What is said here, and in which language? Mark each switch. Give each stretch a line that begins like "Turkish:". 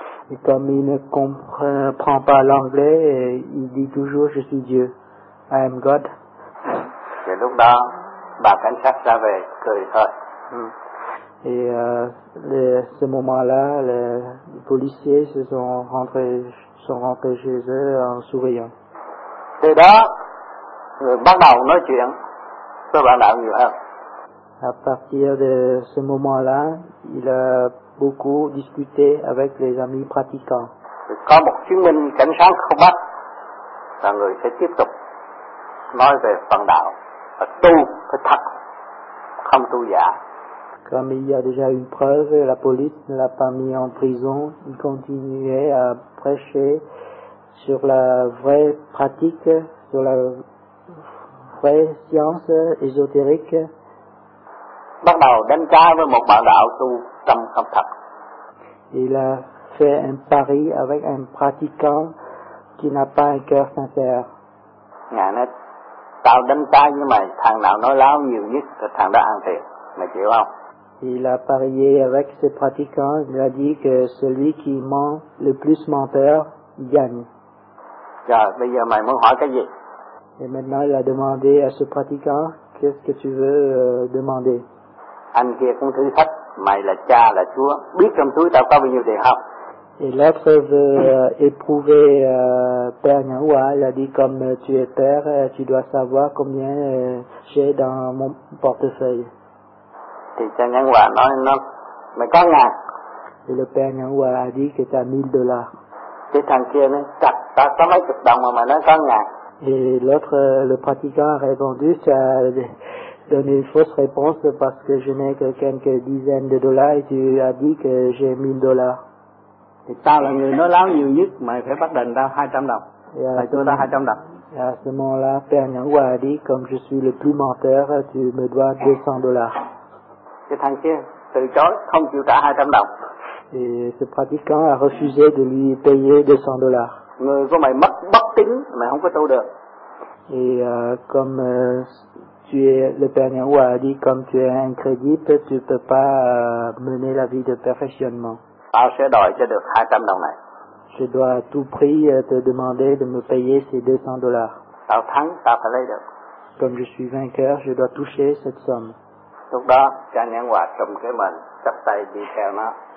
French: Et comme il ne comprend pas l'anglais, il dit toujours je suis Dieu,
English: I am God.
French: C'est donc là,
Vietnamese: bà cảnh sát ra về cười thôi.
French: Et ce moment-là, les policiers se sont rentrés chez eux en souriant.
Vietnamese: Từ đó, người bắt đầu nói chuyện với bạn đạo nhiều hơn.
French: À partir de ce moment-là, il a beaucoup discuté avec les amis pratiquants.
Vietnamese: Có một chứng minh cảnh sát không bắt, là người sẽ tiếp tục nói về phần đạo. Tu phải thật, không tu giả.
French: Comme il y a déjà une preuve, la police ne l'a pas mis en prison. Il continuait à prêcher sur la vraie pratique, sur la vraie science ésotérique.
Vietnamese: Bắt đầu đánh cá với một bạn đạo tu tâm không thật.
French: Il a fait un pari avec un pratiquant qui n'a pas un cœur sincère.
Vietnamese: Ngài nói, tao đánh cá với mày, thằng nào nói láo nhiều nhất thì thằng đó ăn thiệt, mày chịu không?
French: Il a parié avec ce pratiquant, il a dit que celui qui ment le plus menteur gagne.
Vietnamese: Rồi, bây giờ mày muốn hỏi cái gì?
French: Et maintenant il a demandé à ce pratiquant, qu'est-ce que tu veux demander?
Vietnamese: Anh kia cũng thử thách, mày là cha, là chúa, biết trong túi tao có bao nhiêu tiền không?
French: Et l'autre veut éprouver père Nyanghwa, il a dit comme tu es père, tu dois savoir combien j'ai dans mon portefeuille.
Vietnamese: Thì cha Nyanghwa nói nó mày có ngàn.
French: Et le père Nyanghwa a dit que t'as 1000 dollars.
Vietnamese: Thì thằng kia nói chặt, ta có mấy chục đồng mà mày nói có ngàn.
French: Et l'autre, le pratiquant a répondu, t'as donné une fausse réponse parce que je n'ai que quelques dizaines de dollars et tu as dit que j'ai 1000 dollars.
Vietnamese: Thì tao là người nói láo nhiều nhất, mày phải bắt đền tao 200 đồng. Yeah, mày cho tao 200 đồng.
French: À ce moment-là, Père Nhãn Hòa a dit, comme je suis le plus menteur, tu me dois 200 dollars.
Vietnamese: Cái thằng kia từ chối, không chịu trả 200 đồng.
French: Et ce pratiquant a refusé de lui payer 200 dollars.
Vietnamese: Người của mày mất bất tính, mày không có tu được.
French: Et comme tu es, le Père Nhãn Hòa a dit, comme tu es incrédible, tu ne peux pas mener la vie de perfectionnement.
Vietnamese: Tao sẽ đòi cho được 200 đồng này.
French: Je dois à tout prix te demander de me payer ces 200 dollars.
Vietnamese: Tao thắng, tao phải lấy được.
French: Comme je suis vainqueur, je dois toucher cette somme.
Vietnamese: Lúc đó, cha Nhãn Hòa cầm cái mền, chắp tay đi theo nó.